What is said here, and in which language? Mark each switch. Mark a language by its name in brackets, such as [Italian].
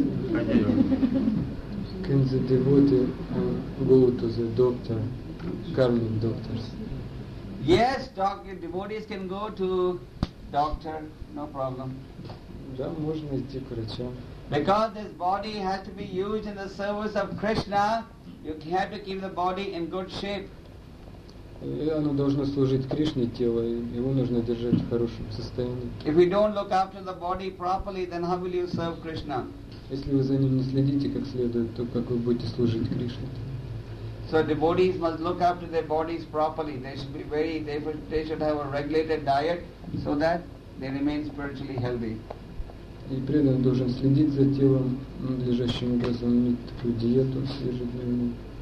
[English] Can the devotee go to the doctor, karmic doctors? Yes, doctor, devotees can go to doctor, no problem. [Russian] Да, можно идти к врачам. [English] Because this body has to be used in the service of Krishna, you have to keep the body in good shape. [Russian] И оно должно служить Кришне, тело, и его нужно держать в хорошем состоянии. [English] If we don't look after the body properly, then how will you serve Krishna? [Russian] Если вы за ним не следите как следует, то как вы будете служить Кришне? [English] So devotees must look after their bodies properly. They should have a regulated diet so that they remain spiritually healthy. [Russian] И преданный должен следить за телом, надлежащим образом иметь такую диету ежедневную.